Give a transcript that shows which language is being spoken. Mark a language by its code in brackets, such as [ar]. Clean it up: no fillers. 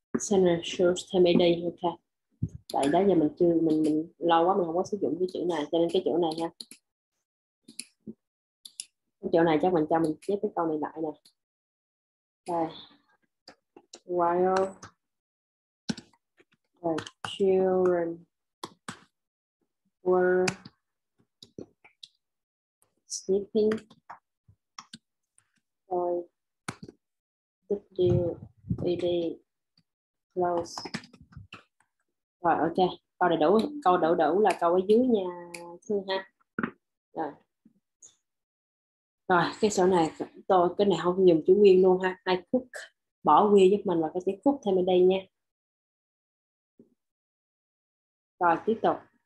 [en] Center shows [vi] thêm đi, ok. Tại đó giờ mình chưa, mình lâu quá mình không có sử dụng cái chữ này, cho nên cái chỗ này ha. Chỗ này chắc mình cho mình chép cái câu này lại nè. Đây. [en] While the children were sleeping, I the baby close. [vi] Rồi ok, câu này đủ, câu đủ đủ là câu ở dưới nha Thương ha. Rồi. Rồi, cái số này tôi cái này không dùng chữ nguyên luôn ha. [en] I cook, [vi] bỏ we giúp mình và cái chữ cook thêm ở đây nha. Rồi tiếp tục.